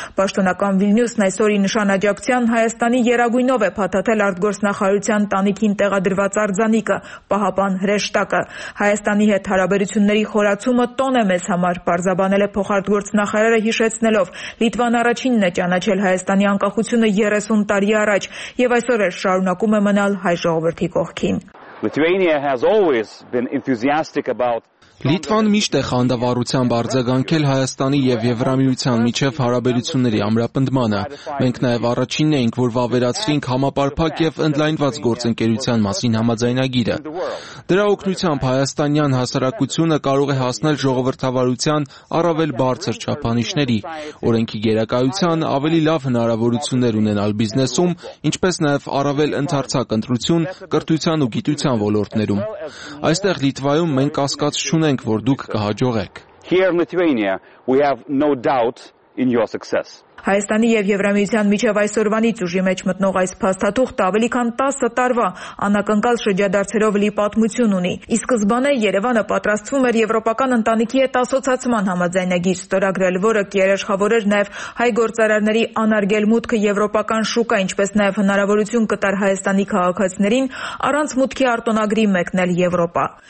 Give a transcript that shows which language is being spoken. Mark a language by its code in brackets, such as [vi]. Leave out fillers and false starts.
[hy] Պաշտոնական Վիլնյուսն այսօրի նշանաջակցության Հայաստանի երագույնով է փաթաթել արտգործնախարարության տանիքին տեղադրված արձանիկը՝ պահապան հրեշտակը։ Հայաստանի հետ հարաբերությունների խորացումը տոն է մեզ համար, պարզաբանել է փոխարտգործնախարարը, հիշեցնելով, Լիտվան առաջինն է ճանաչել Հայաստանի անկախությունը 30 տարի առաջ, և այսօր է շարունակում է մնալ հայ ժողովրդի կողքին։ [en] Lithuania has always been enthusiastic about [hy] Լիտվան միշտ է խանդավառությամբ արձագանքել Հայաստանի և Եվրամիության միջև հարաբերությունների ամրապնդմանը։ Մենք նաև առաջինն էինք, որ վավերացրինք համապարփակ և ընդլայնված գործընկերության մասին համաձայնագիրը։ Դրա օգնությամբ հայաստանյան հասարակությունը կարող է հասնել ժողովրդավարության առավել բարձր չափանիշների, օրենքի գերակայության, ավելի լավ հնարավորություններ ունենալ բիզնեսում, ինչպես նաև առավել ընդարձակ ընտրություն կրթության ու գիտության ոլորտներում։ Այստեղ Լիտվայում մենք կասկած ունենք, որ դուք կհաջողեք։ [en] Here in Lithuania, we have no doubt in your success. [hy] Հայաստանի և Եվրամիության միջև այսօրվանից ուժի մեջ մտնող այս փաստաթուղթը ավելի քան 10 տարվա անակնկալ շրջադարձերով լի պատմություն ունի։ Ի սկզբանե Երևանը պատրաստվում էր Եվրոպական ընտանիքի հետ ասոցացման համաձայնագիր ստորագրել, որը կերեշխավոր էր նաև հայ գործարարների անարգել մուտքը Եվրոպական շուկա, ինչպես նաև հնարավորություն կտար Հայաստանի քաղաքացիներին առանց մուտքի արտոնագրի մեկնել Եվրոպա։